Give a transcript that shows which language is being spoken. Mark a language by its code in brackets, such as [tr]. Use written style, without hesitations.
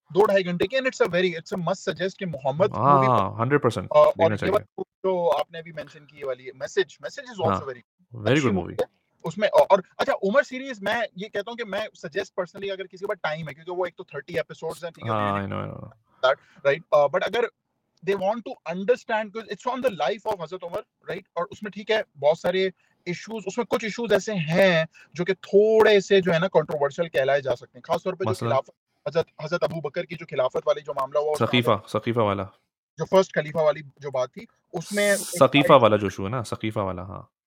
[ur] دو ڈھائی گھن�ٹے کی, [en] and it's a very it's a must suggest [ur] کہ محمد مووی, ہاں 100% دینا چاہیے. تو آپ نے بھی مینشن کی والی ہے message, [en] message is also very [ur] very good movie اس میں. اور اچھا عمر سیریز میں یہ کہتا ہوں کہ میں سجیسٹ پرسنلی اگر کسی کے پاس ٹائم ہے, کیونکہ وہ ایک تو 30 ایپیسوڈز ہیں, ٹھیک ہے, [en] I know that right, but اگر they want to understand because it's on the life of Hazrat Umar, right? [ur] اور اس میں ٹھیک ہے بہت سارے ایشوز, اس میں کچھ ایشوز ایسے ہیں جو کہ تھوڑے سے جو ہے نا کنٹروورشل کہلائے جا سکتے ہیں, خاص طور پہ جو خلافت حضرت ابو بکر کی جو خلافت والی جو معاملہ ہوا, سقیفہ والا جو فرسٹ خلیفہ والی جو بات تھی اس میں, سقیفہ والا جو ایشو ہے نا, سقیفہ والا, ہاں